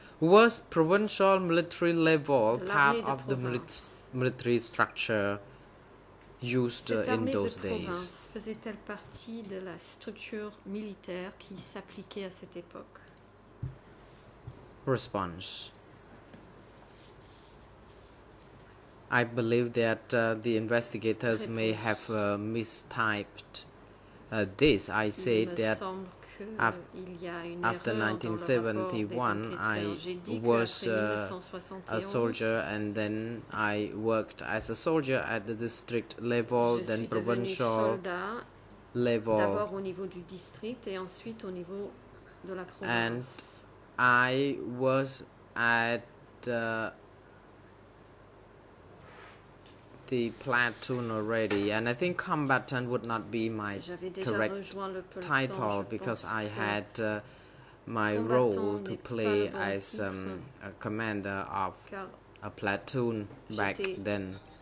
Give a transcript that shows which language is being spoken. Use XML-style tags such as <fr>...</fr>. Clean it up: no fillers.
<en>Was provincial military level part of the military structure used in those days?</en> <fr>Faisait-elle partie de la structure militaire qui s'appliquait à cette époque?</fr> <en>Response. I believe that the investigators</en> <fr>réponse.</fr> <en>May have mistyped this. I say that after 1971, I was a soldier and then I worked as a soldier at the district level, then provincial level.</en> <fr>D'abord au niveau du district et ensuite au niveau de la province.</fr> <en>And I was at the platoon already, and I think combatant would not be my correct title because I had my role to play as a commander of a platoon back then.</en>